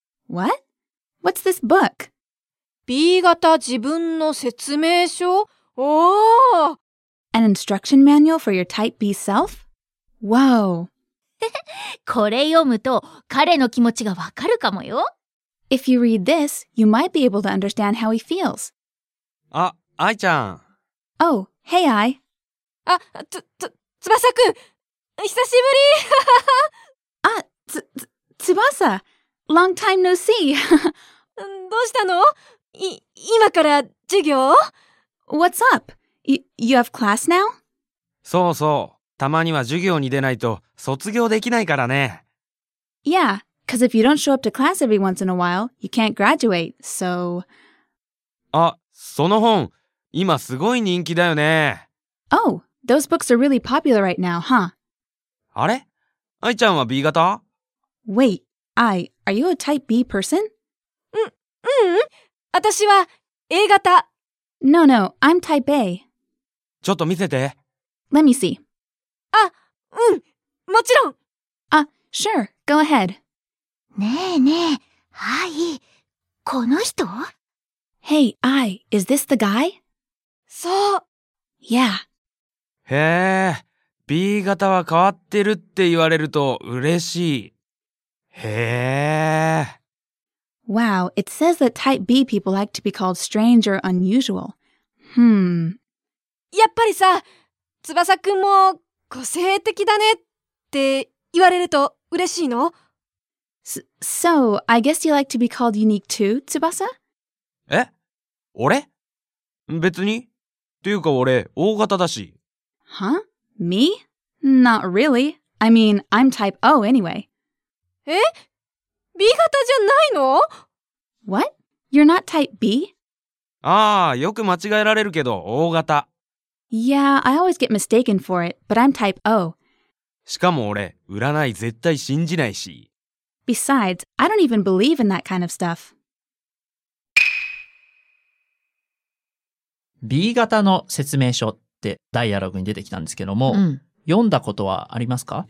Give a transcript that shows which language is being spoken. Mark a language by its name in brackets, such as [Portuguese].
[English] What? What's this book? [Japanese] B 型自分の説明書？おお！ [English] An instruction manual for your type B self? Wow! [Japanese] これ読むと彼の気持ちがわかるかもよ。 [English] If you read this, you might be able to understand how he feels. [Japanese] あ、アイちゃん。 [English] Oh, hey, Ai. [Japanese] あ、翼くん、久しぶり。 [English] あ、翼、long time no see. [Japanese] どうしたの？今から授業？ [English] What's up? You have class now? [Japanese] そうそう、たまには授業に出ないと卒業できないからね。 [English] Yeah, cause if you don't show up to class every once in a while, you can't graduate, so... [Japanese] あ、その本、今すごい人気だよね。 [English] Oh, those books are really popular right now, huh? [Japanese] あれ？アイちゃんは B 型？ [English] Wait, I, are you a type B person? [Japanese] うん、私は A 型。 [English] No, no, I'm type A. [Japanese] ちょっと見せて。 [English] Let me see. [Japanese] あ、うん、もちろん。 [English] あ、sure, go ahead. [Japanese] ねえねえ、はい、この人？ [English] Hey, I, is this the guy? [Japanese] そう。 [English] Yeah. [Japanese] へえ、B 型は変わってるって言われると嬉しい。へえ。 [English] Wow, it says that type B people like to be called strange or unusual. Hmm. [Japanese] やっぱりさ、翼くんも個性的だねって言われると嬉しいの？ [English] So, I guess you like to be called unique too, 翼？ [Japanese] え？俺？別に。っていうか俺、O 型だし。 [English] Huh? Me? Not really. I mean, I'm type O anyway. [Japanese] え？B 型じゃないの？ [English] What? You're not type B? [Japanese] ああ、よく間違えられるけど、O 型。 [English] Yeah, I always get mistaken for it, but I'm type O. [Japanese] しかも俺、占い絶対信じないし。 [English] Besides, I don't even believe in that kind of stuff. [Japanese] B 型の説明書ってダイアログに出てきたんですけども、うん、読んだことはありますか？